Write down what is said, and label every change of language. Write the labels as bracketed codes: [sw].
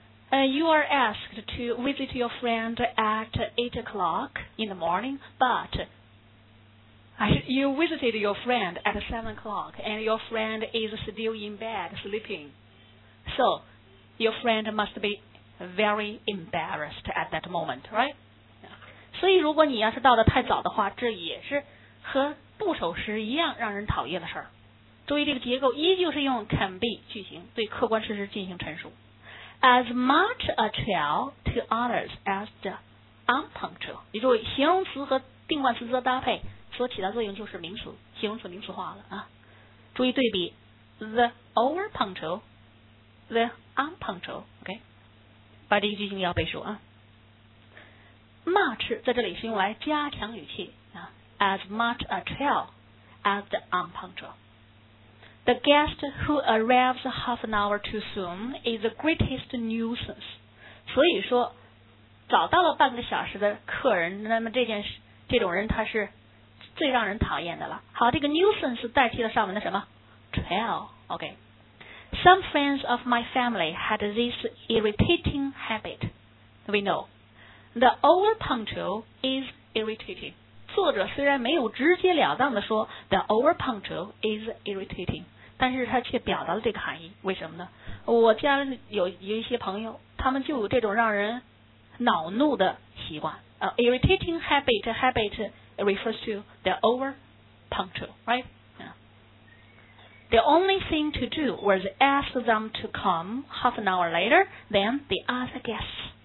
[en] And you are asked to visit your friend at 8 o'clock in the morning, but you visited your friend at 7 o'clock and your friend is still in bed sleeping. So your friend must be very embarrassed at that moment, right? [zh] 所以如果你要是到的太早的话，这也是和不守时一样让人讨厌的事儿。注意这个结构依旧是用 can be 句型对客观事实进行陈述。 [en] As much a trial to others as the unpunctual. [zh] 你注意形容词和定冠词的搭配所起到作用就是名词，形容词名词化了啊。注意对比 [en] the over punctual, the unpunctual. [zh] OK, 把这个句型要背熟啊。 [en] Much [zh] 在这里是用来加强语气啊。 [en] As much a trial as the unpunctual. The guest who arrives half an hour too soon is the greatest nuisance. [zh] 所以说早到了半个小时的客人，那么这种人他是最让人讨厌的了。好，这个 nuisance 代替了上文的什么 trail. OK. [en] Some friends of my family had this irritating habit. We know. The over punctual is irritating. [zh] 作者虽然没有直截了当地说 [en] The over punctual is irritating. [zh] 但是他却表达了这个含义，为什么呢？我家里有一些朋友，他们就有这种让人恼怒的习惯。 [en] Irritating habit refers to the over punctual, right? The only thing to do was ask them to come half an hour later than the other guests.